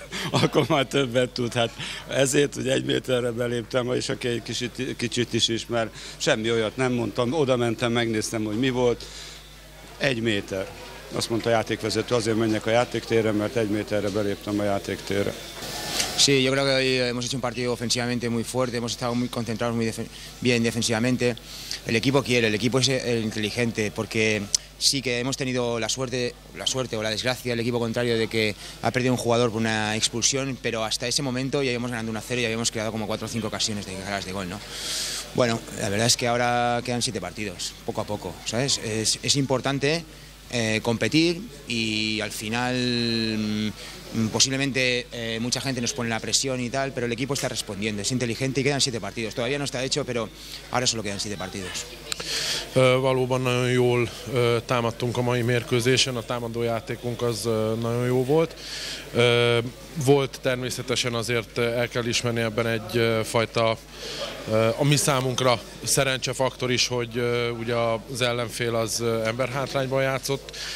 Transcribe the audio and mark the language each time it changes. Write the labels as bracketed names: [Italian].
[Hungarian] Akkor már többet tud. Hát ezért, hogy 1 méterre beléptem, és aki egy kicsit is ismer, semmi olyat nem mondtam. Oda mentem, megnéztem, hogy mi volt. 1 méter. Azt mondta a játékvezető, azért menjek a játéktérre, mert 1 méterre beléptem a játéktérre. [Spanish] Sí, yo creo que hoy hemos hecho un partido ofensivamente muy fuerte, hemos estado muy concentrados, muy bien defensivamente. El equipo quiere, el equipo es el inteligente, porque sí que hemos tenido la suerte o la desgracia del equipo contrario de que ha perdido un jugador por una expulsión, pero hasta ese momento ya habíamos ganado 1-0 y habíamos creado como 4 o 5 ocasiones de ganas de gol, ¿no? Bueno, la verdad es que ahora quedan 7 partidos, poco a poco, ¿sabes? Es importante competir y al final posiblemente mucha gente nos pone la presión y tal, pero el equipo está respondiendo, es inteligente y quedan 7 partidos. Todavía no está hecho, pero ahora solo quedan 7 partidos. [Hungarian] Valóban nagyon jól támadtunk a mai mérkőzésen, a támadó játékunk az nagyon jó volt. Volt természetesen azért el kell ismerni ebben egy fajta a mi számunkra szerencsefaktor is, hogy ugye az ellenfél az emberhátrányban játszott.